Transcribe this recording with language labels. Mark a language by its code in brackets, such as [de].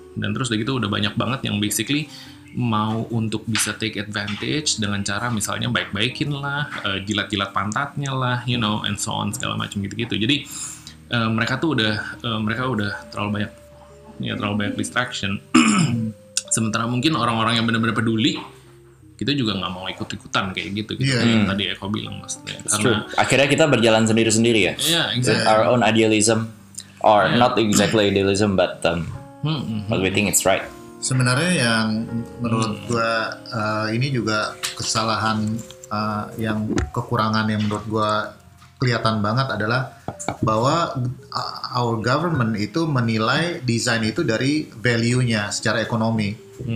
[id] Dan terus dari gitu udah banyak banget yang basically mau untuk bisa [en] take advantage [id] dengan cara misalnya baik-baikin lah, jilat-jilat pantatnya lah, [en] you know, and so on, [id] segala macam gitu-gitu. Jadi mereka tuh udah terlalu banyak ya, terlalu banyak distraction. Sementara mungkin orang-orang yang benar-benar peduli kita juga nggak mau ikut-ikutan kayak gitu gitu. Yeah. Yang tadi Eko bilang maksudnya. Karena akhirnya kita berjalan sendiri-sendiri ya. [en] Yeah, exactly. Our own idealism or not exactly idealism but but we think it's right. [id] Sebenarnya yang menurut gua ini juga kesalahan yang kekurangan yang menurut gua kelihatan banget adalah bahwa [en] our government [id] itu menilai desain itu dari value-nya secara ekonomi.